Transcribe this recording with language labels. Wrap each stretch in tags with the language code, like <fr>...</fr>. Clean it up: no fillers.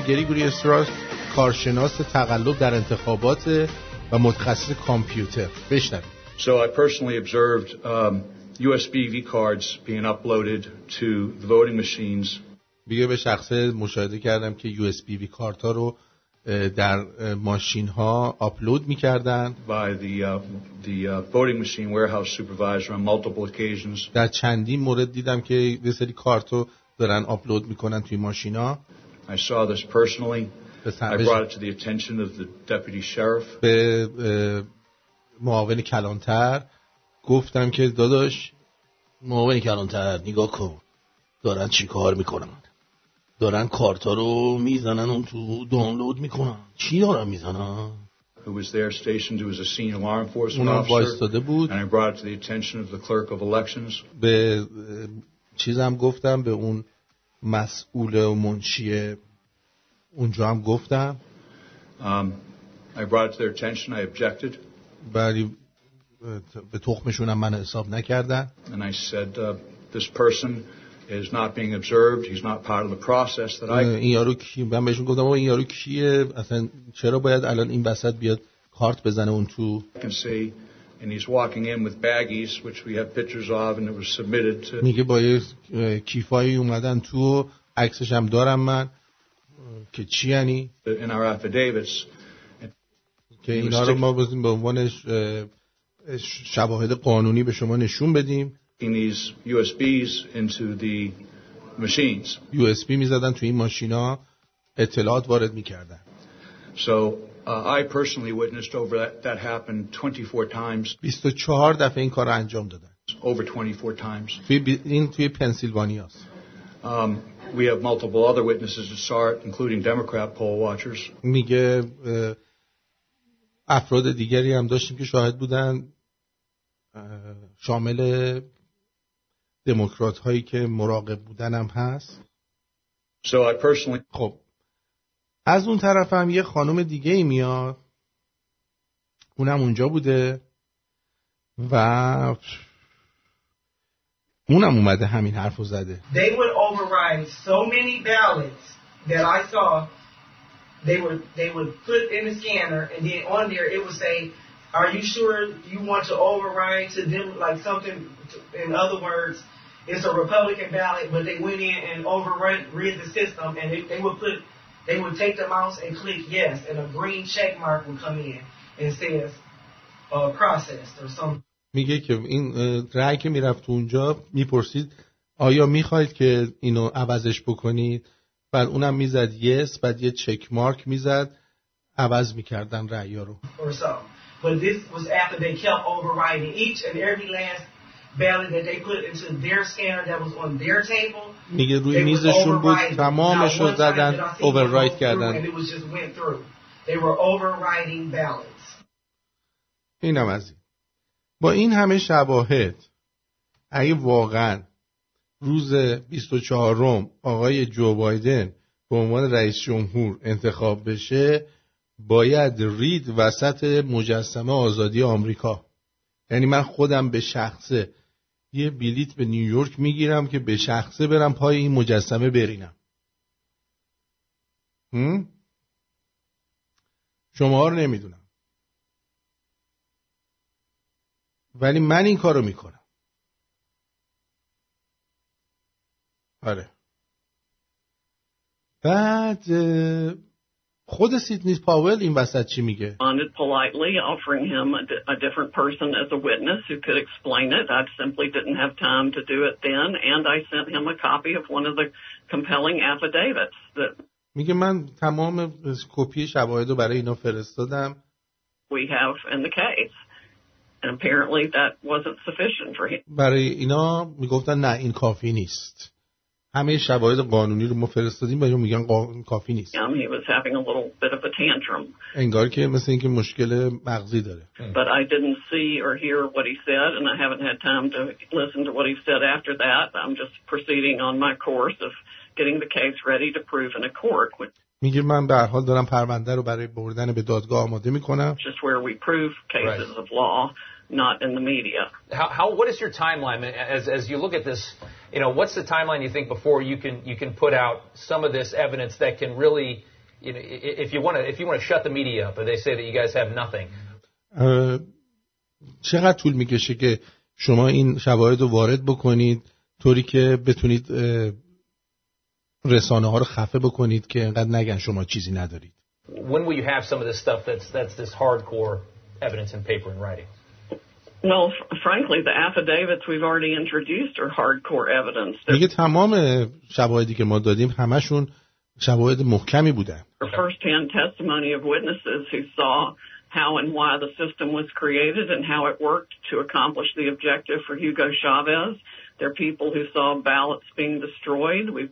<fa>گریگوری استراوس کارشناس تقلب در انتخابات و متخصص کامپیوتر. بشنوید.</fa> <en>So I personally observed USB V-cards being uploaded to the voting machines.</en> <fa>بیگه به شخصه مشاهده کردم که USB V-card ها رو در ماشین ها آپلود می کردن</fa> <en>by the voting machine warehouse supervisor on multiple occasions.</en> <fa>در چندین مورد دیدم که یه سری کارت رو دارن آپلود می کنن توی ماشین ها.</fa> <en>I saw this personally. I brought it to the attention of the deputy sheriff.</en> <fa>به معاون کلانتر گفتم که داداش معاون کلانتر نگاه کن دارن چی کار می کنن، دارن کارتا رو میزنن اون تو دانلود میکنن. چی دارن میزنن؟</fa> <en>Who was there stationed who was a senior law enforcement officer.</en> <fa>اونا وایستاده بود.</fa> <en>And I brought it to the attention of the clerk of elections.</en> <fa>به چیزم گفتم، به اون مسئول و منشی اونجا هم گفتم.</fa> <en>I brought it to their attention. I objected.</en> <fa>بلی به تخمشون هم من حساب نکردن.</fa> <en>And I said this person is not being observed, he's not part of the process that I</en> <fa>این یارو کیه؟ من بهشون گفتم این یارو کیه، اصلا چرا باید الان این وسط بیاد کارت بزنه اون تو.</fa> <en>Can see, and he's walking in with baggies which we have pictures of and it was submitted to.</en> <fa>میگه با یه کیفایی اومدن تو، عکسش هم دارم من که چی یعنی</fa> <en>in our affidavits.</en> <fa>که اینا رو ما بزنیم به عنوان شواهد قانونی به شما نشون بدیم.</fa> <en>In these USBs into the machines.</en> <fa>USB میزدن تو این ماشینا، اطلاعات وارد میکردن.</fa> <en>So I personally witnessed over that happened 24 times.</en> <fa>24 دفعه این کار انجام دادن.</fa> <en>Over 24 times.</en> <fa>این توی پنسیلوانیاست.</fa> <en>We have multiple other witnesses to start, including Democrat poll watchers.</en> <fa>میگه افراد دیگری هم داشتیم که شاهد بودن، شامل دموکرات هایی که مراقب بودنم هست.</fa> <en>So I personally...</en> <fa>خب از اون طرف هم یه خانم دیگه ای میاد، اونم اونجا بوده و اونم اومده همین حرف رو زده.</fa> <en>They would override so many ballots that I saw They would put in the scanner, and then on there it would say, "Are you sure you want to override to them like something?" In other words, it's a Republican ballot, but they went in and overread the system, and they would take the mouse and click yes, and a green check mark would come in and says processed or something.</en> <fa>میگه که این رأی که میرفت اونجا میپرسید آیا میخواید که اینو عوضش بکنید، بعد اونم میزد</fa> <en>yes،</en> <fa>بعد یه چک مارک میزد عوض میکردن رأی ها رو.</fa> <en>But this was after they kept overriding each and every last ballot that they put into their scanner that was on their table.</en> <fa>میگه روی میزشون بود تمامش رو زدن اوورراید کردن.</fa> <en>And it was just went through. They were overriding ballots.</en> <fa>اینم از با این همه شواهد، اگه واقعا روز 24 آقای جو بایدن به عنوان رئیس جمهور انتخاب بشه، باید رید وسط مجسمه آزادی آمریکا. یعنی من خودم به شخصه یه بلیط به نیویورک میگیرم که به شخصه برم پای این مجسمه برینم. شما رو نمیدونم، ولی من این کارو میکنم. آره. بعد خود سیدنی پاول این وسط چی میگه؟</fa> <en>Responded politely, offering him a different person as a witness who could explain it. I simply didn't have time to do it then, and I sent him a copy of one of the compelling affidavits. That</en> <fa>میگه من تمام کپی شواهدو برای اینا فرستادم.</fa> <en>We have in the case. And apparently that wasn't sufficient for him.</en> <fa>برای اینا میگفتن نه این کافی نیست. همه شواهد قانونی رو ما فرستادیم، برای اینا میگن کافی نیست.</fa> <en>He was having a little bit of a tantrum.</en> <fa>انگار که مثل اینکه مشکل مغزی داره.</fa> <en>But I didn't see or hear what he said, and I haven't had time to listen to what he said after that. I'm just proceeding on my course of getting the case ready to prove in a court.</en> <fa>میگه من به هر حال دارم پرونده رو برای بردن به دادگاه آماده میکنم.</fa> <en>Just where we prove cases right. of law, not in the media. How what is your timeline as you look at this? You know, what's the timeline you think before you can put out some of this evidence that can really, you know, if you want to shut the media up, or they say that you guys have nothing.</en> <fa>چقدر طول میکشه که شما این شواهد رو وارد بکنید طوری که بتونید رسانه ها رو خفه بکنید که انقدر نگن شما چیزی ندارید؟</fa> <en>When will you have some of this stuff that's this hardcore evidence in paper and writing? Well, frankly, the affidavits we've already introduced are hardcore evidence.</en> <fa>میگه تمام شواهدی که ما دادیم همشون شواهد محکمی بودن.</fa> <en>The first-hand testimony of witnesses who saw how and why the system was created and how it worked to accomplish the objective for Hugo Chavez. There are people who saw ballots being destroyed.</en>